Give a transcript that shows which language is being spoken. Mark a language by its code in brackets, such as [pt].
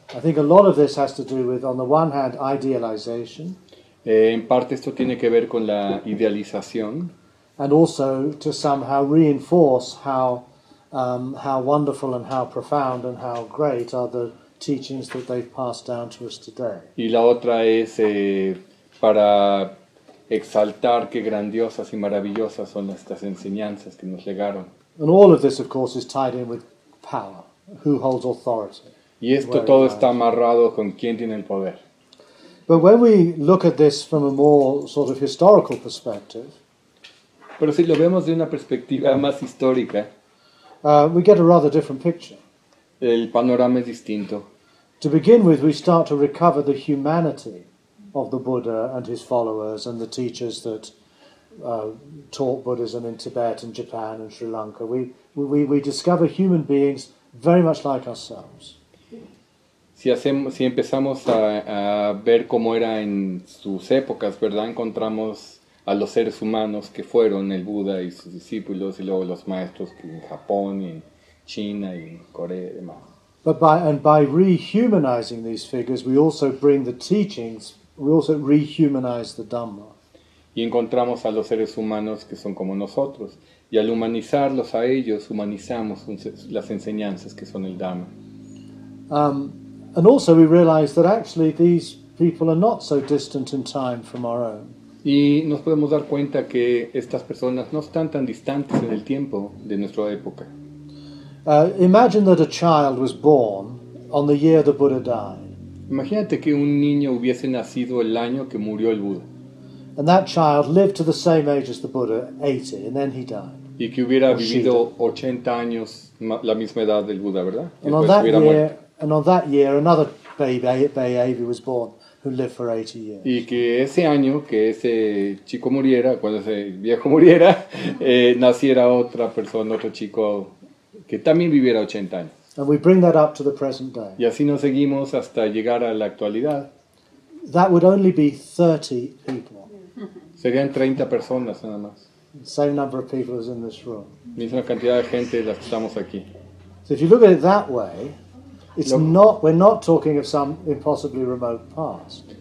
[en] I think a lot of this has to do with, on the one hand, idealization. [es] En parte esto tiene que ver con la idealización. [en] And also to somehow reinforce how wonderful and how profound and how great are the teachings that they've passed down to us today. [es] Y la otra es para exaltar qué grandiosas y maravillosas son estas enseñanzas que nos legaron. [en] And all of this, of course, is tied in with power. Who holds authority? [es] Y esto todo está amarrado con quién tiene el poder. [en] But when we look at this from a more sort of historical perspective, [es] pero si lo vemos de una perspectiva más histórica, [en] we get a rather different picture. [es] El panorama es distinto. [en] To begin with, we start to recover the humanity of the Buddha and his followers and the teachers that taught Buddhism in Tibet and Japan and Sri Lanka. We discover human beings very much like ourselves. [es] Si empezamos a ver cómo era en sus épocas, ¿verdad? Encontramos a los seres humanos que fueron el Buda y sus discípulos y luego los maestros que en Japón y en China y en Corea y demás. [en] But by rehumanizing these figures, we also bring the teachings, we also rehumanize the Dhamma. [es] Y encontramos a los seres humanos que son como nosotros. Y al humanizarlos a ellos, humanizamos las enseñanzas que son el Dhamma. [en] And also we realize that actually these people are not so distant in time from our own. [es] Y nos podemos dar cuenta que estas personas no están tan distantes en el tiempo de nuestra época. [en] Imagine that a child was born on the year the Buddha died. [es] Imagínate que un niño hubiese nacido el año que murió el Buda. [en] And that child lived to the same age as the Buddha, 80, and then he died. [es] Y que hubiera vivido 80 años, la misma edad del Buda, ¿verdad? [en] And on that year, and on that year, another baby was born who lived for 80 years. [es] Y que ese año que ese chico muriera, cuando ese viejo muriera, naciera otra persona, otro chico que también viviera 80 años. [en] And we bring that up to the present day. [es] Y así nos seguimos hasta llegar a la actualidad. [en] That would only be 30 people. [es] Serían 30 personas nada más. [en] Same number of people as in this room. [es] Misma cantidad de gente las que estamos aquí. [en] So if you look at it that way, it's not, we're not talking of some impossibly remote past.